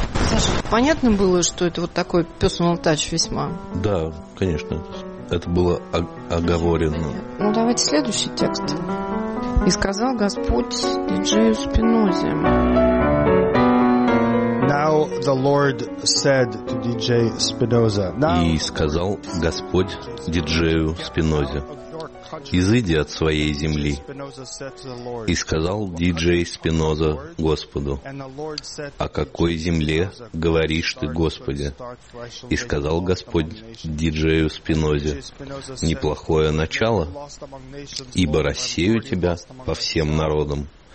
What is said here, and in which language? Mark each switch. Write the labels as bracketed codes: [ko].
[ru] Саша, понятно было, что это вот такой [en] personal touch [ru] весьма? Да, конечно. Это было оговорено. Ну, давайте следующий текст. И сказал Господь диджею Спинозе. [en] Now the Lord said to DJ Spinoza. [ru] И сказал Господь диджею Спинозе: «Изыди от своей земли». И сказал диджей Спиноза Господу: «О какой земле говоришь ты, Господи?» И сказал Господь диджею Спинозе: «Неплохое начало, ибо рассею тебя по всем народам».